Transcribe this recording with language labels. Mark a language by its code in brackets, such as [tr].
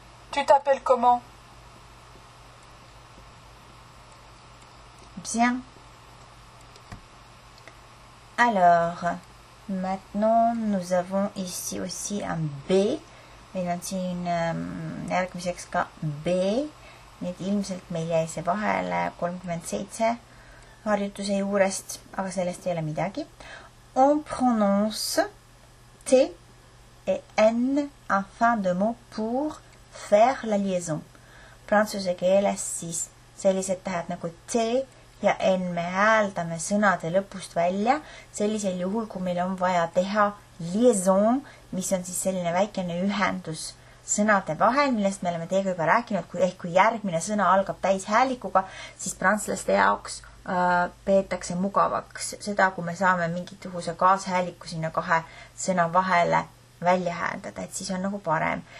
[fr] Tu t'appelles comment? Bien. Alors, maintenant, nous avons ici aussi un B. [et] Meil on siin järgmiseks ka B. Need ilmselt meil jäi see vahele 37 harjutuse juurest, aga sellest ei ole midagi. [fr] On prononce T et N en fin de mot pour faire la liaison. [et] Prantsuse keeles siis sellised tähed nagu T ja N me hääldame sõnade lõpust välja. Sellisel juhul, kui meil on vaja teha liaison, mis on siis selline väikene ühendus sõnade vahel, millest me oleme teiega juba rääkinud, ehk kui järgmine sõna algab täis häälikuga, siis prantslaste jaoks peetakse mugavaks seda, kui me saame mingit uhuse kaashääliku sinna kahe sõna vahele välja hääldada, et siis on nagu parem.